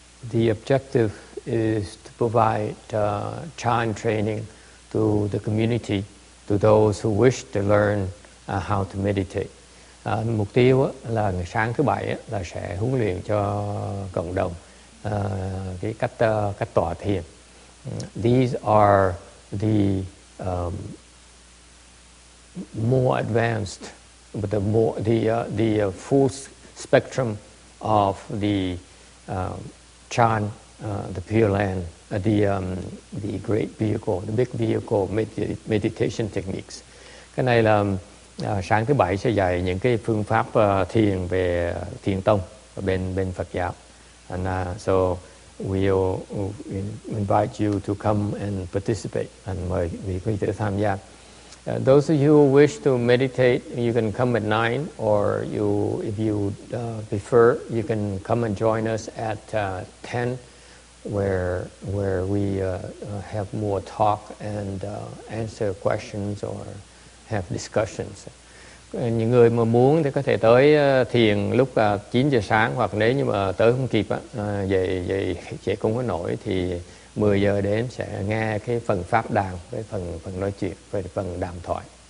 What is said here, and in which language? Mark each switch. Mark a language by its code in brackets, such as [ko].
[en] The objective is to provide Chan training to the community, to those who wish to learn how to meditate. [vi] Mục tiêu là ngày sáng thứ bảy là sẽ huấn luyện cho cộng đồng cái cách tọa thiền. [en] These are the more advanced, but the full spectrum of the Chan, the Pure Land, the Great Vehicle, the Big Vehicle meditation techniques. [vi] Cái này là sáng thứ bảy sẽ dạy những cái phương pháp thiền về thiền tông bên Phật giáo. [en] And so we'll invite you to come and participate, and [vi] mời quý vị tham gia. [en] Those of you who wish to meditate, you can come at 9, or you, if you prefer, you can come and join us at 10, where we have more talk and answer questions or have discussions. [vi] Những người mà muốn thì có thể tới thiền lúc 9 giờ sáng, hoặc nếu như mà tới không kịp dậy không có nổi thì 10 giờ đến sẽ nghe cái phần pháp đàm với phần nói chuyện với phần đàm thoại.